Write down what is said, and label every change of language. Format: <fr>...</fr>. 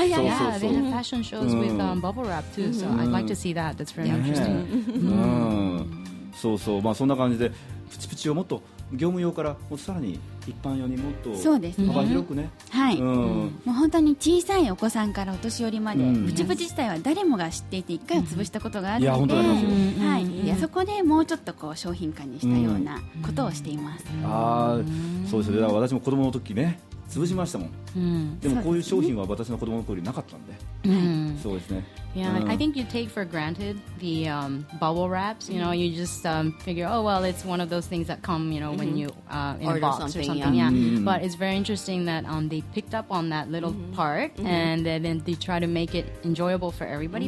<en>They have fashion shows with bubble wrap too. So I'd like to see that. That's very interesting.</en> <ja>そうそう。まあそんな感じでプチプチをもっと業務用からもさらに一般用にもっと、そうですね、幅広くね、はい、もう本当に小さいお子さんからお年寄りまで、プチプチ自体は誰もが知っていて一回は潰したことがあるので、そこでもうちょっとこう商品化にしたようなことをしています、そうですね。だから私も子供の時ね潰しましたもん、でもこういう商品は私の子供の頃になかったんで、そうですね。</ja> <en>Yeah, I think you take for granted the bubble wraps. You know, you just figure, oh, well, it's one of those things that come, you know, when you in order a box something, or something. Yeah. But it's very interesting that they picked up on that little part and then they try to make it enjoyable for everybody.</en>